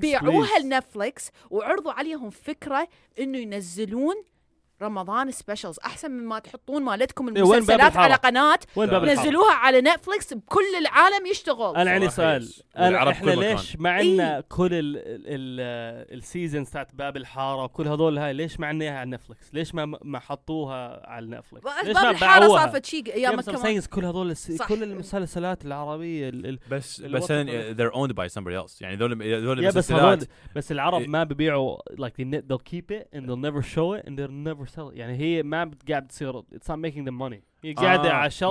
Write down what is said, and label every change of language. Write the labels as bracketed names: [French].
[Arabic] بيعوها لنتفليكس وعرضوا عليهم فكرة إنه ينزلون رمضان سبيشلز احسن من ما تحطون مالتكم المسلسلات على قناه نزلوها على نتفليكس بكل العالم يشتغل انا عندي سؤال انا احنا ليش ما عندنا كل السيزونز تاعت باب الحاره وكل هذول هاي ليش ما عندنا اياها على نتفليكس ليش ما حطوها على نتفليكس ليش باب الحاره صارت شيء ايام كمان كل هذول كل المسلسلات العربيه بس [English] they're owned by somebody else [Arabic] يعني هذول المسلسلات بس العرب ما ببيعوا [English] like they'll keep it and they'll never show it and they're never sell it. [Arabic] يعني هي ما قاعد تصير [English] it's not making the money [Arabic] هي قاعدة على الشلف